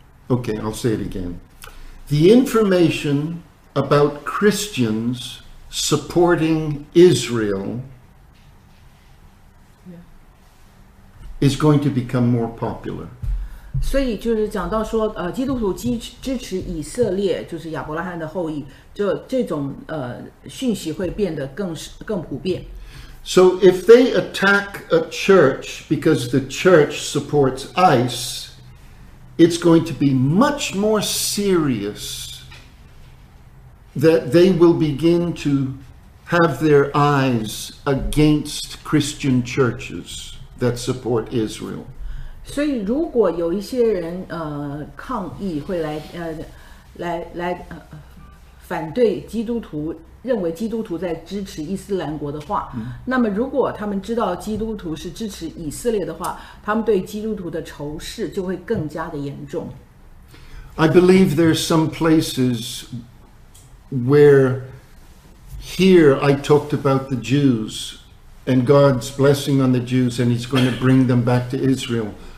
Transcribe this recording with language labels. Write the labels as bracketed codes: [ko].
[en] Okay, I'll say it again. The information about Christians supporting Israel is going to become more popular. [zh] 所以就是讲到说，基督徒支持以色列，就是亚伯拉罕的后裔，就这种讯息会变得更普遍。 [en] So if they attack a church because the church supports ICE, it's going to be much more serious that they will begin to have their eyes against Christian churches that support Israel. [zh] 所以如果有一些人抗议会来反对基督徒，认为基督徒在支持伊斯兰国的话，那么如果他们知道基督徒是支持以色列的话，他们对基督徒的仇视就会更加的严重。 [en] I believe there's some places where here I talked about the Jews and God's blessing on the Jews, and he's going to bring them back to Israel.